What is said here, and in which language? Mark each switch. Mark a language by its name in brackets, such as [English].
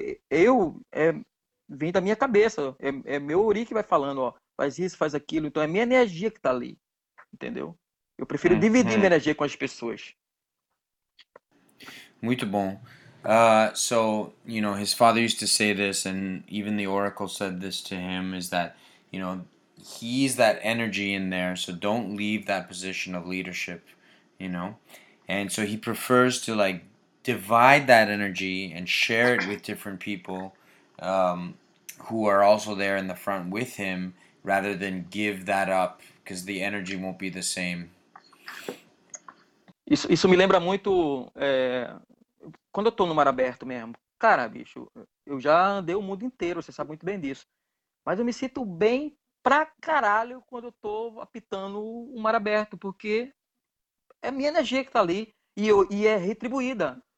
[Portuguese] Isso vem da minha cabeça. É meu ori que vai falando, ó, faz isso, faz aquilo. Então é minha energia que tá ali, entendeu? Eu prefiro dividir minha energia com as pessoas. Muito bom. [English] So, you know, his father used to say this, and even the oracle said this to him, is that, you know, he's that energy in there, so don't leave that position of leadership, you know? And so he prefers to, like, divide that energy and share it with different people who are also there in the front with him, rather than give that up, because the energy won't be the same. [Portuguese] Isso me lembra muito... Quando eu tô no mar aberto mesmo, cara, bicho, eu já andei o mundo inteiro, você sabe muito bem disso. Mas eu me sinto bem pra caralho quando eu tô apitando o mar aberto, porque é minha energia que tá ali e é retribuída.